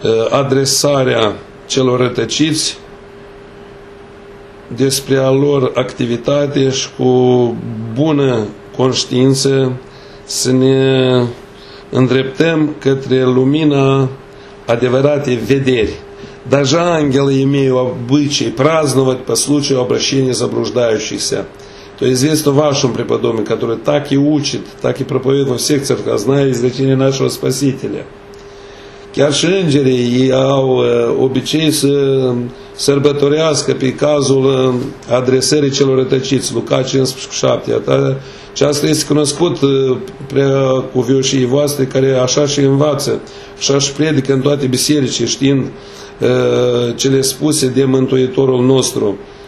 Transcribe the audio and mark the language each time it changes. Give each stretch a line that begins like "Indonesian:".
Romanian: adresarea celor rătăciți despre a lor activitate și cu bună conștiință să ne îndreptăm către lumina adevăratei vederi. Deja angelii
Russian: имеют обычай праздновать по случаю обращения заблуждающихся. То известно вашему преподобию, который так и учит, так и проповедует во всех церквах, зная изречение нашего Спасителя.
Romanian: Chiar și îngerii ei au obicei să sărbătorească pe cazul adresării celor rătăciți, Luca 15:7. Și asta este cunoscut prea cuvioșii voastre care așa și învață, așa și predică în toate bisericii, știind cele spuse de Mântuitorul nostru.